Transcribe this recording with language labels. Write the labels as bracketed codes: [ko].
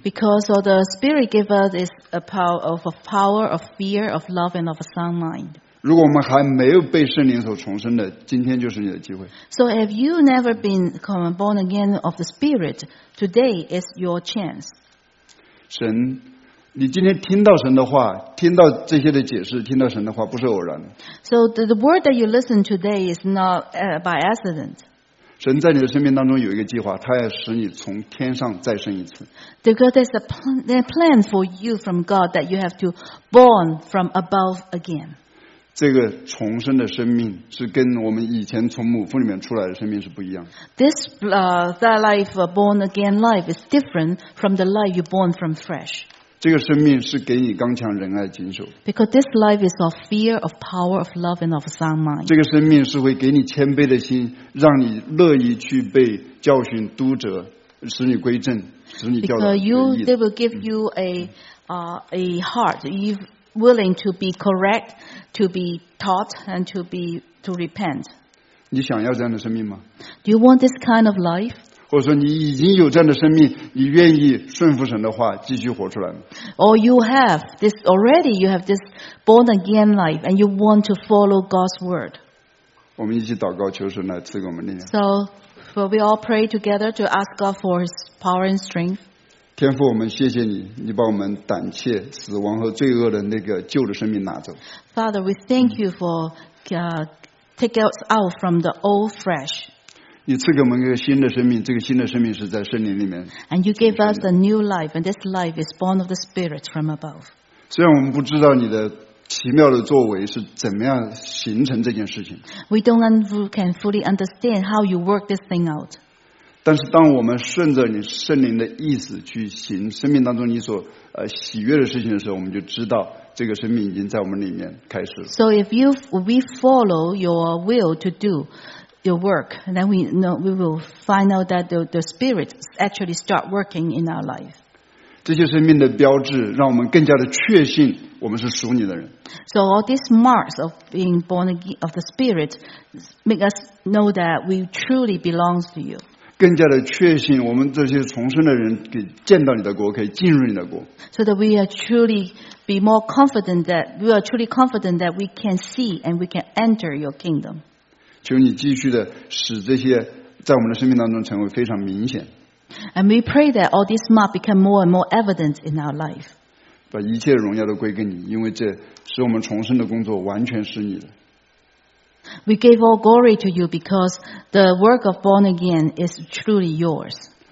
[en] Because all the Spirit gives us is a power of fear, of love, and of a sound mind. [zh] 如果我们还没有被圣灵所重生的，今天就是你的机会。 [en] So if you never been born again of the Spirit. Today is your chance. [zh] 神，你今天听到神的话，听到这些的解释，听到神的话，不是偶然。 [en] So the word that you listen today is not by accident. [zh] 神在你的生命当中有一个计划，他要使你从天上再生一次。 [en] Because there's a plan for you from God that you have to born from above again. [zh] 这个重生的生命是跟我们以前从母腹里面出来的生命是不一样的。 [en] This that life born again life is different from the life you born from fresh. [zh] 这个生命是给你刚强仁爱谨守。 [en] Because this life is of fear, of power, of love, and of sound mind. [zh] 这个生命是会给你谦卑的心，让你乐意去被教训督责，使你归正，使你教导原意。 [en] Because they will give you a heart if. Willing to be correct, to be taught, and to repent. [zh] 你想要这样的生命吗？ [en] Do you want this kind of life? [zh] 或者说你已经有这样的生命，你愿意顺服神的话，继续活出来吗？ [en] Or you have this already, you have this born again life, and you want to follow God's word. [zh] 我们一起祷告，求神来赐给我们力量。 [en] So, will we all pray together to ask God for His power and strength? [zh] 天父，我们谢谢你，你把我们胆怯、死亡和罪恶的那个旧的生命拿走。 [en] Father, we thank you for take us out from the old flesh. [zh] 你赐给我们一个新的生命，这个新的生命是在圣灵里面。 [en] And you gave us a new life, and this life is born of the Spirit from above. [zh] 虽然我们不知道你的奇妙的作为是怎么样形成这件事情。 [en] We don't can fully understand how you work this thing out. [zh] 但是当我们顺着你圣灵的意思去行生命当中你所喜悦的事情的时候，我们就知道这个生命已经在我们里面开始了。 [en] So if we follow your will to do your work, then we will find out that the Spirit actually start working in our life. [zh] 这些生命的标志让我们更加的确信我们是属你的人。 [en] So all these marks of being born again of the Spirit make us know that we truly belong to you. [zh] 更加的确信我们这些重生的人可以见到你的国，可以进入你的国。 [en] So that we are truly be more confident that we are truly confident that we can see and we can enter your kingdom. [zh] 求你继续的使这些在我们的生命当中成为非常明显。 [en] And we pray that all this mark become more and more evident in our life. [zh] 把一切荣耀都归给你，因为这使我们重生的工作完全是你的。 [en] We give all glory to you because the work of born again is truly yours.